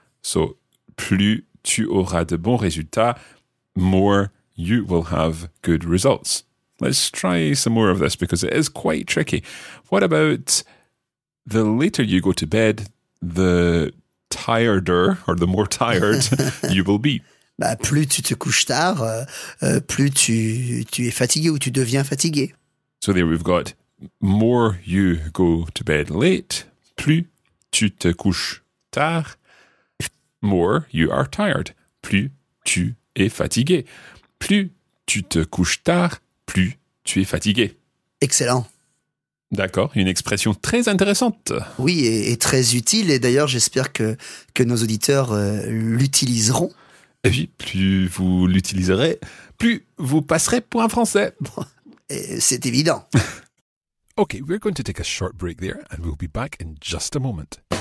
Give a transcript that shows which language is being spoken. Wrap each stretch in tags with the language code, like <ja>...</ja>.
<en>So</en> <fr>plus tu auras de bons résultats,</fr> <en>more you will have good results. Let's try some more of this because it is quite tricky. What about the later you go to bed, the tireder, or the more tired, you will be.</en> <fr>Bah, plus tu te couches tard, plus tu es fatigué ou tu deviens fatigué.</fr> <en>So there we've got, more you go to bed late,</en> <fr>plus tu te couches tard,</fr> <en>more you are tired,</en> <fr>plus tu es fatigué. Plus tu te couches tard, plus tu es fatigué. Excellent. D'accord, une expression très intéressante. Oui, et très utile, et d'ailleurs j'espère que nos auditeurs l'utiliseront. Et puis, plus vous l'utiliserez, plus vous passerez pour un français. Et c'est évident.</fr> <en>Ok, we're going to take a short break there, and we'll be back in just a moment.</en>